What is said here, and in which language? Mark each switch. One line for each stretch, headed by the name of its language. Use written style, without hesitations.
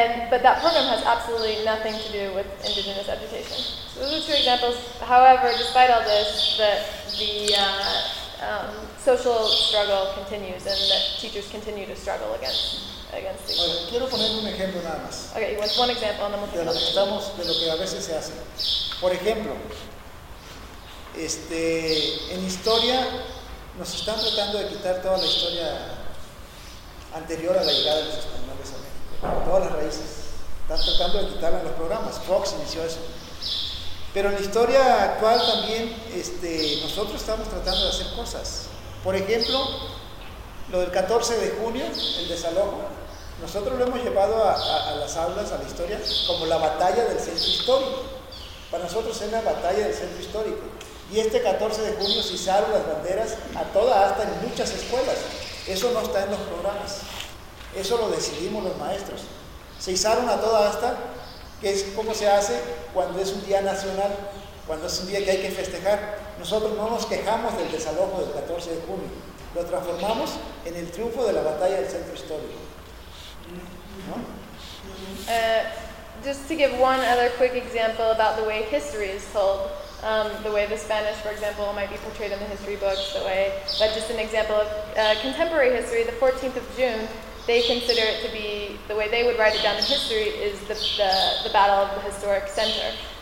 English: But that program has absolutely nothing to do with indigenous education. So those are two examples. However, despite all this, that the social struggle continues and that teachers continue to struggle against these.
Spanish: Oye, quiero poner un ejemplo nada más.
English: Okay, you want one example and then we'll
Spanish: talk about it. De lo que a veces se hace. Por ejemplo, en historia nos están tratando de quitar toda la historia anterior a la llegada de los españoles a México, todas las raíces. Están tratando de quitarla en los programas. Fox inició eso. Pero en la historia actual también nosotros estamos tratando de hacer cosas. Por ejemplo, lo del 14 de junio, el desalojo, nosotros lo hemos llevado a las aulas, a la historia, como la batalla del centro histórico. Para nosotros es la batalla del centro histórico. Y este 14 de junio se izaron las banderas a toda asta en muchas escuelas. Eso no está en los programas. Eso lo decidimos los maestros. Se izaron a toda asta, que es como se hace cuando es un día nacional, cuando es un día que hay que festejar. Nosotros no nos quejamos del desalojo del 14 de junio. Lo transformamos en el triunfo de la batalla del centro histórico. ¿No?
English: Just to give one other quick example about the way history is told, the way the Spanish, for example, might be portrayed in the history books, but just an example of contemporary history, the 14th of June, they consider it to be, the way they would write it down in history, is the battle of the historic center.